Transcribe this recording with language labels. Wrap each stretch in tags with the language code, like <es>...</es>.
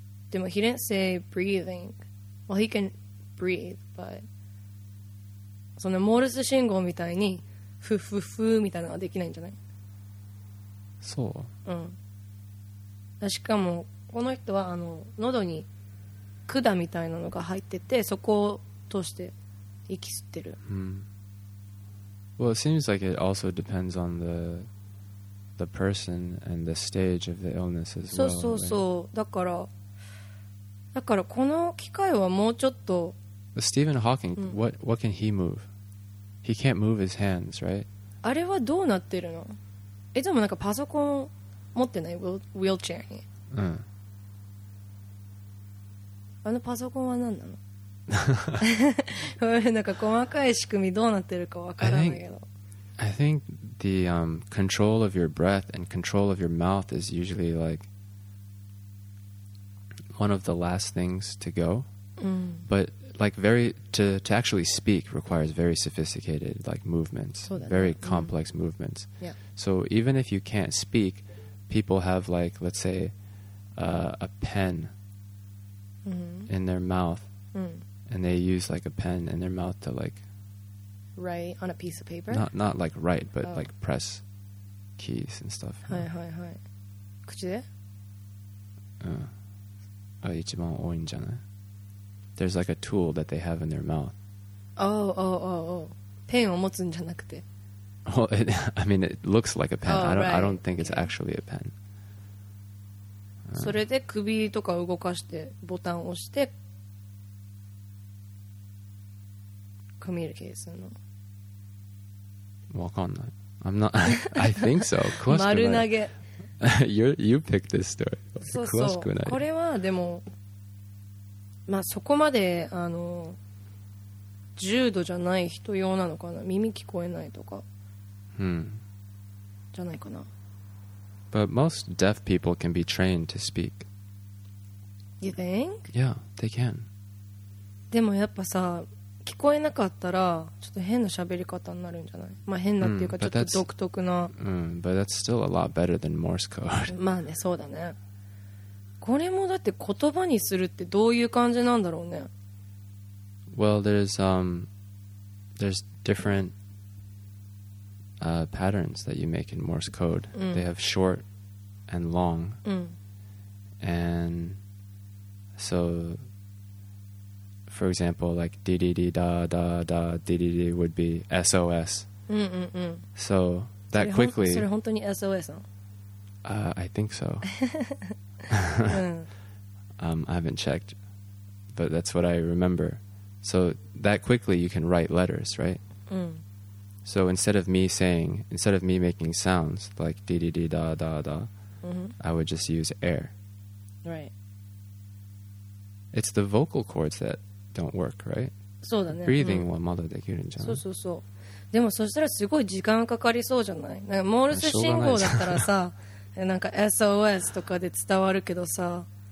<ja>でも he didn't say breathing. Well, he can breathe, but そのモールス信号みたいにフッフッフッみたいなのはできないんじゃない？そう、うん。しかもこの人は喉に管みたいなのが入ってて、そこを通して息吸ってる。</ja> <en>Well, it seems like it also depends on the person and the stage of the illness as well.</en> <ja>そうそうそう。だからこの機械はもうちょっと。</ja> <en>Stephen Hawking, what can he move? He can't move his hands, right?</en> <ja>あれはどうなってるの？え、でもなんかパソコン持ってない wheelchair に。うん。あのパソコンは何なの？なんか細かい仕組みどうなってるかわからないけど。</ja> <en>I think the control of your breath and control of your mouth is usually like one of the last things to go. But like very to actually speak requires very sophisticated like movements, very complex movements. Yeah. So even if you can't speak, people have like let's say a pen. In their mouth, and they use like a pen in their mouth to like write on a piece of paper. Not like write, but like press keys and stuff.</en> <ja>はいはいはい。口で？うん。あ、一番多いんじゃない？</ja> <en>There's like a tool that they have in their mouth. Oh.</en> <ja>ペンを持つんじゃなくて。</ja> <en>Well, it looks like a pen. I don't think it's actually a pen.</en> <ja>それで首とか動かしてボタンを押してコミュニケーションの。</ja> <en>わかんない。 I'm not. I think so.</en> <ja>丸投げ。</ja> <en>You picked this story.</en> <ja>そうそう。詳しくない。これはでもまあそこまで重度じゃない人用なのかな。耳聞こえないとか。じゃないかな。</ja> <en>But most deaf people can be trained to speak. You think? Yeah, they can.</en> <ja>でもやっぱさ、聞こえなかったらちょっと変な喋り方になるんじゃない？まあ変なっていうかちょっと独特な。</ja> <en>But that's still a lot better than Morse code.</en> <ja>まあね、そうだね。これもだって言葉にするってどういう感じなんだろうね。</ja> <en>Well, there's different. Patterns that you make in Morse code. They have short and long. And so, for example, like dee dee dee da da da dee dee dee would be SOS. So that quickly.</en> <ja>それ本当に SOS なの?</ja> <en>I think so. I haven't checked, but that's what I remember. So that quickly you can write letters, right? So instead of me making sounds like dee dee dee da da da, I would just use air. Right. It's the vocal cords that don't work, right?</en> <ja>そうだね。 Breathing はまだできるんじゃない？そうそうそう。でもそしたらすごい時間かかりそうじゃない？なんかモールス信号だったらさ、なんか SOS とかで伝わるけどさ。</ja>